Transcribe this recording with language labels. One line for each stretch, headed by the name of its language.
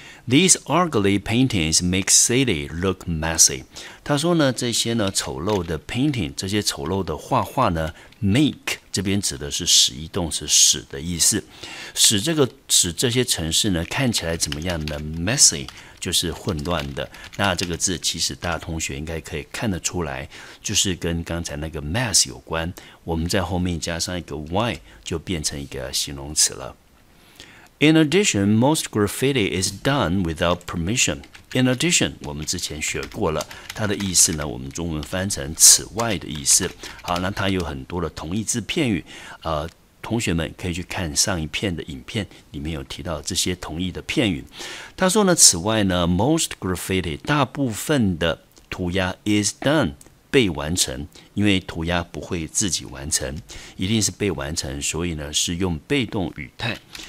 English: These ugly paintings make city look messy.
Chinese: 他说呢这些呢丑陋的 painting, 这些丑陋的画画呢 make, 这边指的是使一动词使的意思，使这些城市呢看起来怎么样呢 messy,就是混乱的。那这个字其实大同学应该可以看得出来，就是跟刚才那个 mass 有关，我们在后面加上一个 y 就变成一个形容词了。
English: In addition, most graffiti is done without permission. In addition,
Chinese: 我们之前学过了它的意思呢，我们中文翻成此外的意思。好，那它有很多的同义字片语，同学们可以去看上一篇的影片，里面有提到这些同义的片语。他说呢，此外呢
English: most graffiti
Chinese: 大部分的涂鸦
English: is done
Chinese: 被完成，因为涂鸦不会自己完成，一定是被完成，所以呢是用被动语态。